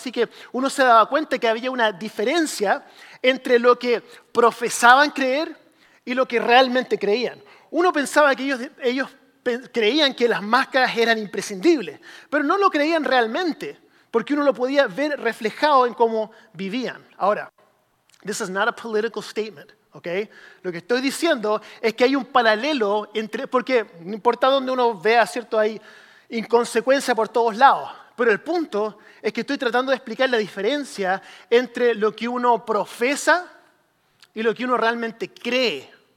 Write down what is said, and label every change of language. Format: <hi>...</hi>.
<es>Así que uno se daba cuenta que había una diferencia entre lo que profesaban creer y lo que realmente creían. Uno pensaba que ellos creían que las máscaras eran imprescindibles, pero no lo creían realmente, porque uno lo podía ver reflejado en cómo vivían.</es> <en>Ahora, this is not a political statement, okay?</en> <es>Lo que estoy diciendo es que hay un paralelo entre, porque no importa dónde uno vea, ¿cierto? Hay inconsecuencia por todos lados. Pero el punto es que estoy tratando de explicar la diferencia entre lo que uno profesa y lo que uno realmente cree.</es>